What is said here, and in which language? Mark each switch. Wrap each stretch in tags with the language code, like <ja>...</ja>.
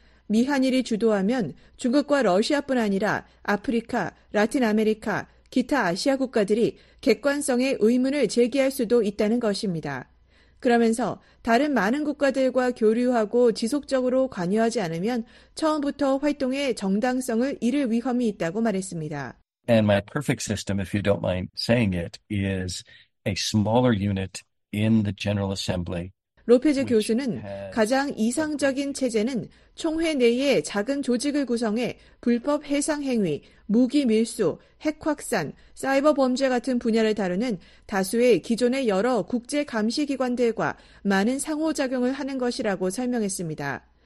<ko>미한일이 주도하면 중국과 러시아뿐 아니라 아프리카, 라틴 아메리카, 기타 아시아 국가들이 객관성의 의문을 제기할 수도 있다는 것입니다. 그러면서 다른 많은 국가들과 교류하고 지속적으로 관여하지 않으면 처음부터 활동의 정당성을 잃을 위험이 있다고 말했습니다.</ko> <en>And my perfect system, if you don't mind saying it, is a smaller unit in the General Assembly.</en> <ko>로페즈 교수는 가장 이상적인 체제는 총회 내에 작은 조직을 구성해 불법 해상 행위, 무기 밀수, 핵 확산, 사이버 범죄 같은 분야를 다루는 다수의 기존의 여러 국제 감시 기관들과 많은 상호작용을 하는 것이라고 설명했습니다.</ko>